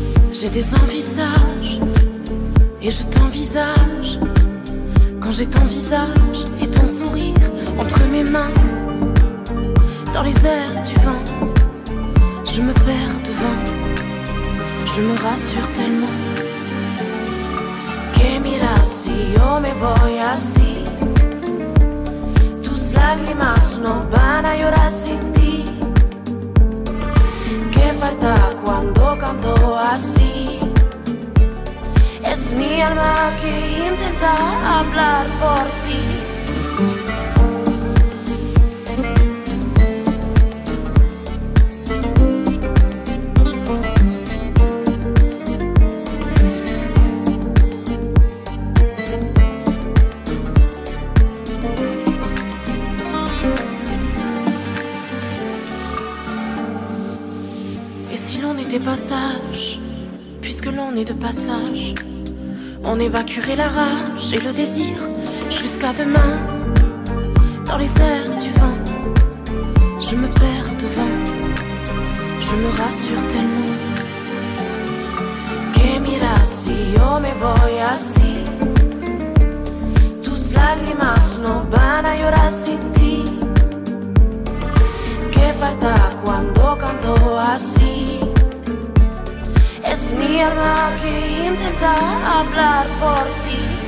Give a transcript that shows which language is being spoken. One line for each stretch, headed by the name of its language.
French: J'ai des envisages et je t'envisage. Quand j'ai ton visage et ton sourire entre mes mains, dans les airs du vent, je me perds devant, je me rassure tellement.
Spanish: Que mira si yo me voy así, tus lágrimas no van a llorar sin ti. Que falta cuando canto así. Es mi alma que intenta hablar por ti.
French: Et si l'on est des passages, puisque l'on est de passage. On évacuerait la rage et le désir jusqu'à demain. Dans les airs du vent, je me perds devant, je me rassure tellement.
Spanish: Que mira si yo me voy así, tus lágrimas no van a llorar sin ti. Que falta cuando canto así. Es mi alma que intenta hablar por ti.